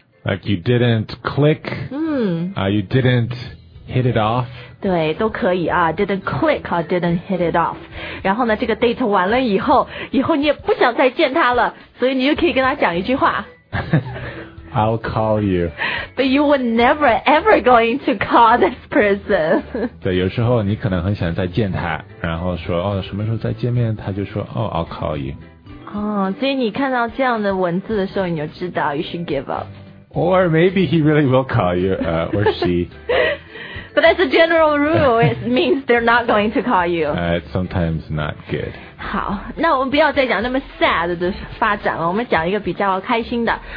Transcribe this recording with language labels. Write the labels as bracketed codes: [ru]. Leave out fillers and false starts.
[en] Like you didn't click, you didn't hit it off. [zh] 对，都可以啊 , didn't click or didn't hit it off. 然后呢这个 date 完了以后，以后你也不想再见他了，所以你就可以跟他讲一句话。 [en] I'll call you. But you were never ever going to call this person. [zh] 对，有时候你可能很想再见他，然后说哦什么时候再见面，他就说哦 [en] I'll call you. [zh] 所以你看到这样的文字的时候你就知道 [en] you should give up. Or maybe he really will call you, or she. But as a general rule, it means they're not going to call you. It's sometimes not good. [zh] 好，那我们不要再讲那么 sad 的发展了，我们讲一个比较开心的。